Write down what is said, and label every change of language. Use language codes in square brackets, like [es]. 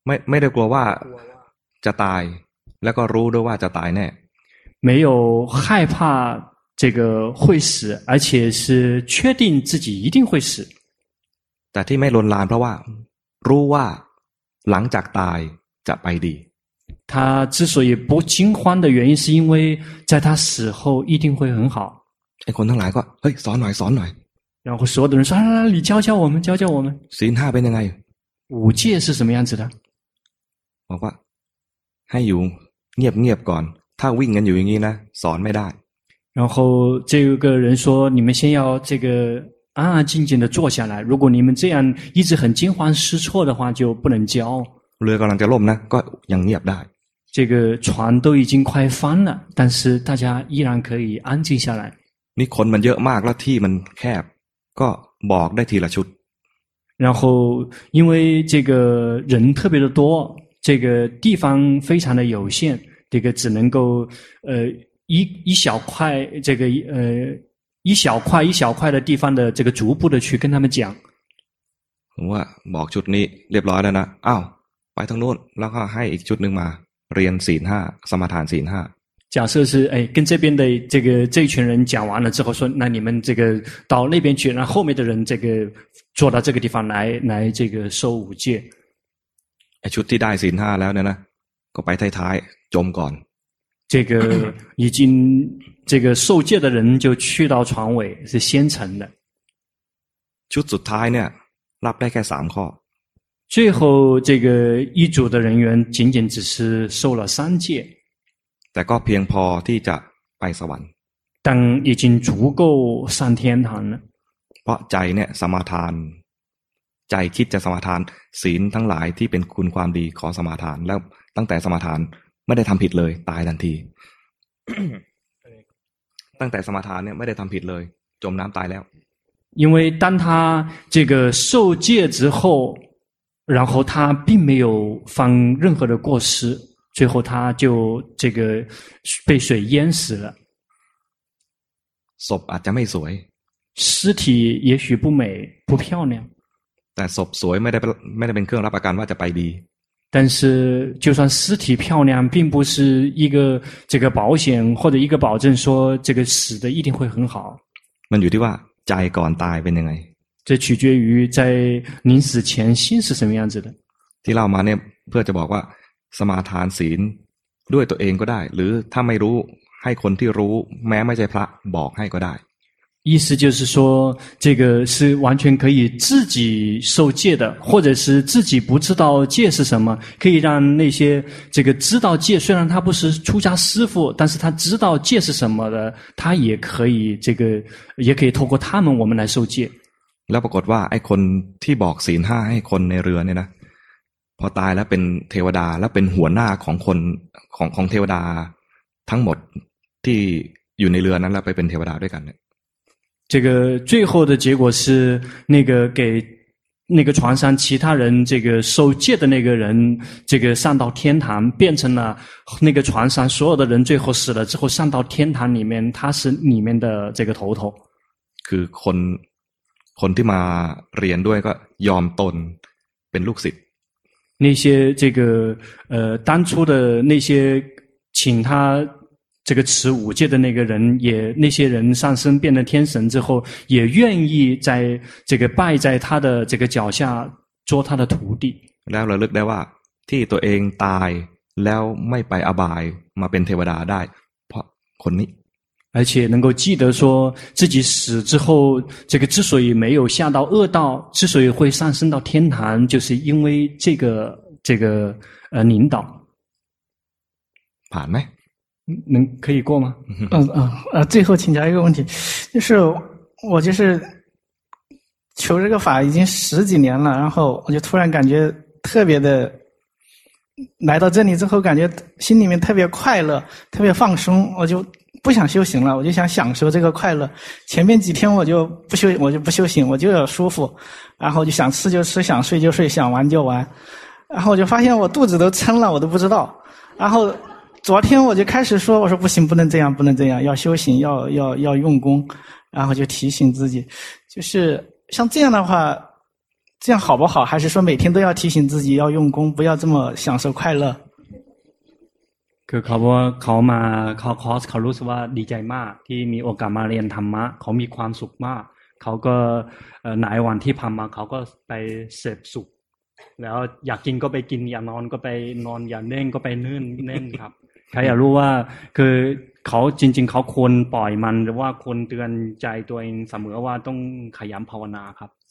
[th] ไม่ได้กลัวว่าจะตายแล้วก็รู้ด้วยว่าจะตายแน่ [zh] 没有害怕这个会死而且是确定自己一定会死 [th] แต่ที่ไม่ลวนลามเพราะว่ารู้ว่าหลังจากตายจะไปดี [zh] 他之所以不惊慌的原因是因为在他死后一定会很好 [th] ไอ้คนทั้งหลายก็เฮ้ยสอนหน่อยสอนหน่อย [zh] 然后所有的人说来来来你教教我们教教我们 [th] ศีลห้าเป็นยังไง [zh] 五戒是什么样子的 [th] บอกว่าให้อยู่เงียบเงียบก่อนถ้าวิ่งกันอยู่อย่างนี้นะสอนไม่ได้ [zh] 然后这个人说你们先要这个安安静静地坐下来如果你们这样一直很惊慌失措的话就不能教 [th] เรือกำลังจะล่มนะก็ยังเงียบได้ [zh] 这个船都已经快翻了但是大家依然可以安静下来 [th] นี่คนมันเยอะมากแล้วที่มันแคบก็บอกได้ทีละชุด [zh] 然后因为这个人特别的多这个地方非常的有限这个只能够一小块这个一小块一小块的地方的这个逐步的去跟他们讲 [th] ว่าบอกชุดนี้เรียบร้อยแล้วนะอ้าวไปทางโน้นแล้วก็ให้อีกชุดหนึ่งมาเรียนศีลห้าสมาทานศีลห้า [zh] 假设是哎跟这边的这个这群人讲完了之后说那你们这个到那边去然后后面的人这个坐到这个地方来这个受五戒 [th] ไอ้ชุดที่ได้ศีลห้าแล้วเนี่ยนะก็ไปท้ายๆจมก่อน [zh] 这个已经这个受戒的人就去到船尾是先成的 [th] 就สุดท้ายเนี่ยรับได้แค่3ข้อ [zh] 最后这个一组的人员仅仅只是受了三戒 [th] แต่ก็เพียงพอที่จะไปสวรรค์ [zh] 但已经足够上天堂了 [th] เพราะใจเนี่ยสมาทานใจคิดจะสมาทานศีลทั้งหลายที่เป็นคุณความดีขอสมาทานแล้วตั้งแต่สมาทานไม่ได้ทำผิดเลยตายทันที ตั้งแต่สมาทานเนี่ยไม่ได้ทำผิดเลยจมน้ำตายแล้ว [zh] 因为当他这个受戒之后然后他并没有犯任何的过失最后他就这个被水淹死了 [th] ศพอาจจะไม่สวย [zh] 尸体也许不美不漂亮 [th] แต่ศพสวยไม่ได้เป็นเครื่องรับประกันว่าจะไปดี [zh] 但是就算尸体漂亮并不是一个这个保险或者一个保证说这个死的一定会很好 [th] มันอยู่ที่ว่าใจก่อนตายเป็นยังไง [zh] 这取决于在临死前心是什么样子的 [th] ที่เรามาเนี่ยเพื่อจะบอกว่าสมาทานศีลด้วยตัวเองก็ได้หรือถ้าไม่รู้ให้คนที่รู้แม้ไม่ใช่พระบอกให้ก็ได้ [zh] 意思就是说这个是完全可以自己受戒的或者是自己不知道戒是什么可以让那些这个知道戒虽然他不是出家师父但是他知道戒是什么的他也可以这个也可以透过他们我们来受戒 [th] แล้วปรากฏว่าไอ้คนที่บอกศีลห้าให้คนในเรือเนี่ยนะพอตายแล้วเป็นเทวดาแล้วเป็นหัวหน้าของคนของเทวดาทั้งหมดที่อยู่ในเรือนั้นแล้วไปเป็นเทวดาด้วยกัน [zh] 这个最后的结果是那个给那个船上其他人这个受戒的那个人这个上到天堂变成了那个船上所有的人最后死了之后上到天堂里面他是里面的这个头头 [th] คือคนที่มาเรียนด้วยก็ยอมตนเป็นลูกศิษย์ [zh] 那些这个当初的那些请他这个持五戒的那个人，也那些人上升变得天神之后，也愿意在这个拜在他的这个脚下做他的徒弟。 [th] แล้วเราลึกได้ว่าที่ตัวเองตายแล้วไม่ไปอบายมาเป็นเทวดาได้เพราะคนนี้ [zh] 而且能够记得说自己死之后，这个之所以没有下到恶道，之所以会上升到天堂，就是因为这个领导。盘没？能可以过吗？最后请教一个问题，就是我就是求这个法已经十几年了，然后我就突然感觉特别的，来到这里之后感觉心里面特别快乐，特别放松，我就不想修行了，我就想享受这个快乐。前面几天我就不修行，我就要舒服，然后就想吃就吃，想睡就睡，想玩就玩，然后我就发现我肚子都撑了，我都不知道，然后。昨天我就开始说，我说不行，不能这样，不能这样，要修行，要用功，然后就提醒自己，就是像这样的话，这样好不好？还是说每天都要提醒自己要用功，不要这么享受快乐？ [th] คือเขาบอกเขามาเขาคอสเขารู้สึกว่าดีใจมากที่มีโอกาสมาเรียนธรรมะเขามีความสุขมากเขาก็หลายวันที่ผ่านมาเขาก็ไปเสพสุขแล้วอยากกินก็ไปกินอยากนอนก็ไปนอนอยากเล่นก็ไปเล่นเล่นครับเขาอยากรู้ว่าคือเขาจริงๆเขาควรปล่อยมันหรือว่าควรเตือนใจตัวเองเสมอว่าต้องขยันภาวนาครับ